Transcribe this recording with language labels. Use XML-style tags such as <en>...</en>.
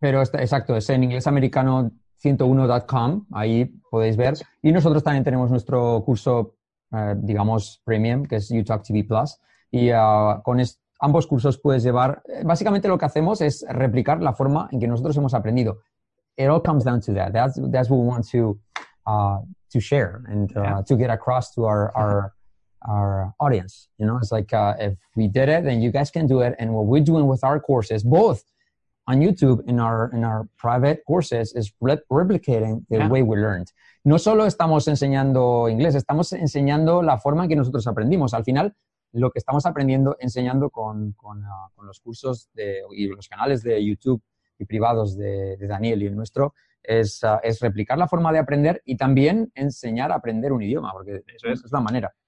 <es>Pero exacto, es en inglesamericano101.com, ahí podéis ver. Y nosotros también tenemos nuestro curso, digamos, premium, que es YouTalk TV Plus. Y con ambos cursos puedes llevar... Básicamente lo que hacemos es replicar la forma en que nosotros hemos aprendido.</es> <en>It all comes down to that. That's what we want to share and to get across to our audience. You know, it's like if we did it, then you guys can do it. And what we're doing with our courses, both on YouTube and in our private courses, is replicating the way we learned.</en> <es>No solo estamos enseñando inglés, estamos enseñando la forma en que nosotros aprendimos. Al final, lo que estamos aprendiendo, enseñando con los cursos y los canales de YouTube y privados de Daniel y el nuestro, es replicar la forma de aprender y también enseñar a aprender un idioma, porque eso es la manera.</es>